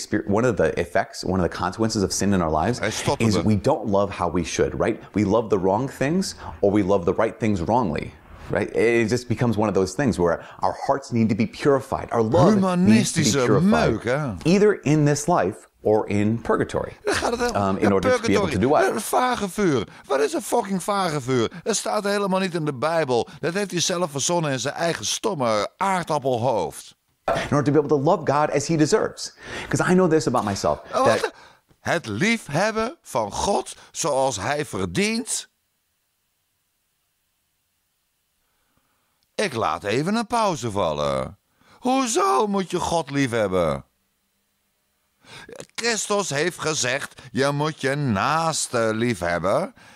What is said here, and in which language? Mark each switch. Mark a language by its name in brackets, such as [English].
[English] One of the consequences of sin in our lives is we don't love how we should, right? We love the wrong things or we love the right things wrongly, right? It just becomes one of those things where our hearts need to be purified. Our love needs to be purified. [Dutch] Meuk, hè? [English] Either in this life or in purgatory. In order purgatory. To be able to do what? [Dutch] Een vagevuur. Wat is een fucking vagevuur? Dat staat helemaal niet in de Bijbel. Dat heeft hij zelf verzonnen in zijn eigen stomme aardappelhoofd. [English] In order to be able to love God as he deserves. Because I know this about myself. [Dutch] Het liefhebben van God zoals hij verdient. Ik laat even een pauze vallen. Hoezo moet je God liefhebben? Christus heeft gezegd, je moet je naaste liefhebben.